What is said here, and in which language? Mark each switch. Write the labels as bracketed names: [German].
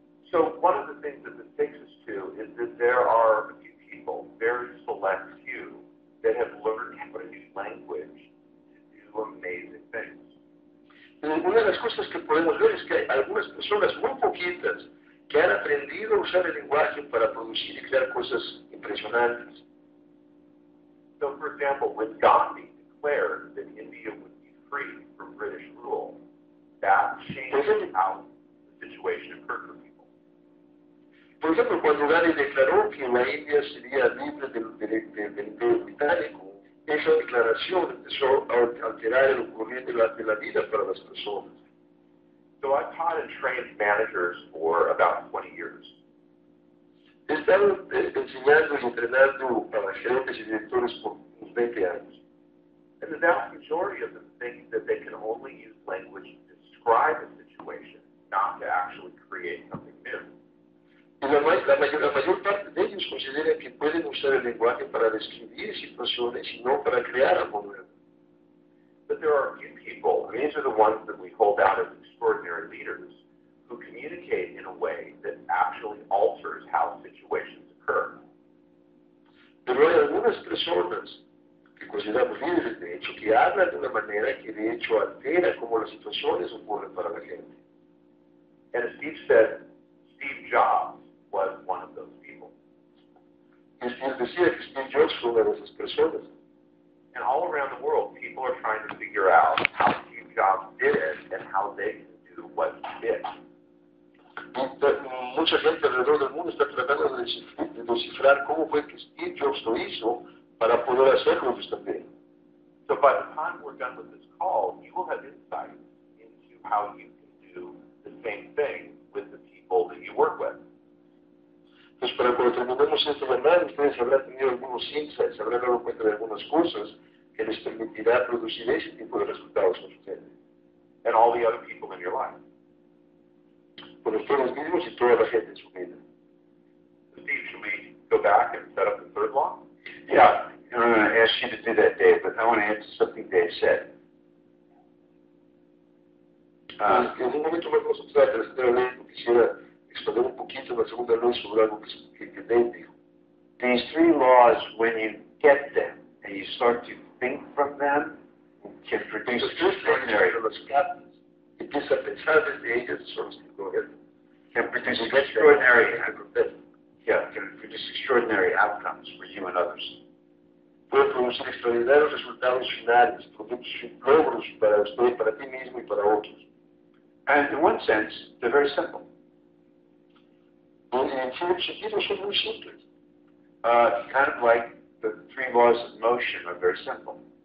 [English] So one of the things that this takes us to is that there are a few people, very select few, that have learned British language to do amazing things. [Spanish] Una de las cosas que podemos ver es que hay algunas personas muy poquitas que han aprendido a usar el lenguaje para producir y crear cosas impresionantes. [English] So, for example, when Gandhi declared that India would be free from British rule, that changed how the situation occurred for people. [Spanish] Por ejemplo, cuando Gandhi declaró que la India sería libre del imperio británico, esa declaración empezó a alterar el ocurrir de la vida para las personas. [English] So I taught and trained managers for about 20 years. [Spanish] He estado enseñando y entrenando para gerentes y directores por 20 años. [English] And the vast majority of them think that they can only use language to describe a situation, not to actually create something new. [Spanish] Y la mayor parte de ellos considera que pueden usar el lenguaje para describir situaciones y no para crear algo nuevo. [English] But there are a few people, and these are the ones that we hold out as extraordinary leaders, who communicate in a way that actually alters how situations occur. [Spanish] Pero hay algunas personas que consideramos líderes, de hecho, que hablan de una manera que de hecho altera cómo las situaciones ocurren para la gente. [English] And as Steve said, Steve Jobs was one of those people. [Spanish] Y Steve decía que Steve Jobs fue una de esas personas. [English] And all around the world, people are trying to figure out how Steve Jobs did it and how they can do what he did. [Spanish] Mucha gente alrededor del mundo está tratando de descifrar cómo fue que Steve Jobs lo hizo para poder hacerlo que está bien. [English] So by the time we're done with this call, you will have insight into how you can do the same thing with the people that you work with. [Spanish] Pues para cuando terminemos esta llamada, ustedes habrán tenido algunos insights, habrán dado cuenta de algunas cosas que les permitirá producir ese tipo de resultados a ustedes. [English] And all the other people in your life. [Spanish] Por ustedes mismos y toda la gente en su vida. [English] Steve, should we go back and set up the third law? Yeah, I'm going to ask you to do that, Dave, but I want to answer something Dave said. [Spanish] En un momento más vamos a usar la tercera ley, quisiera expandir un poquito la segunda ley sobre algo que Dave dijo. [English] These three laws, when you get them and you start to think from them, can produce extraordinary patterns. [Spanish] Empieza a pensar desde ellas, son los que go ahead. [English] Can produce extraordinary outcomes for you and others. [Spanish] Puede producir extraordinarios resultados finales, productos logros para usted, para ti mismo y para otros. [English] And in one sense, they're very simple. Kind of like the three laws of motion are very simple.